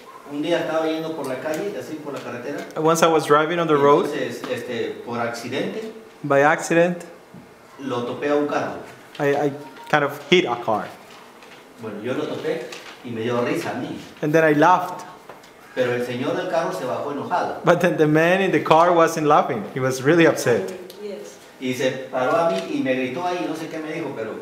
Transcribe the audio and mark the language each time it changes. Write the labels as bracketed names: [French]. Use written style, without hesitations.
[Spanish] Un día estaba yendo por la calle, así por la carretera. [English] Once I was driving on the [Spanish] entonces, [English] road. [Spanish] Por accidente. [English] By accident. [Spanish] Lo topé a un carro. [English] I kind of hit a car. [Spanish] Bueno, yo lo topé y me dio risa a mí. [English] And then I laughed. [Spanish] Pero el señor del carro se bajó enojado. [English] But then the man in the car wasn't laughing. He was really upset. Yes. [Spanish] Y se paró a mí y me gritó ahí, no sé qué me dijo, pero.